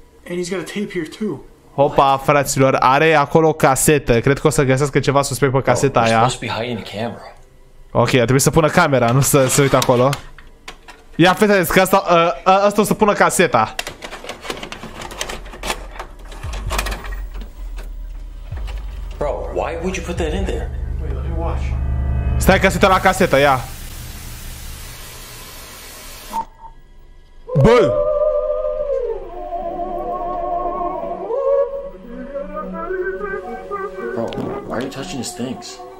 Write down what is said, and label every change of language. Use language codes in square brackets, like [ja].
[en] And he's got a tape here too. [ro] Hopa, fraților, are acolo casetă. Cred că o să găsească ceva suspect pe caseta aia. [en] Must be hiding a camera. [ro] Ok, a trebuit să pună camera, nu să se uite acolo. Ia, fetele, că asta, asta o să pună caseta. [en] Bro, why would you put that in there? [ro] Stai că se uită la casetă, ia. Bă! [en] Bro, why are you touching his things?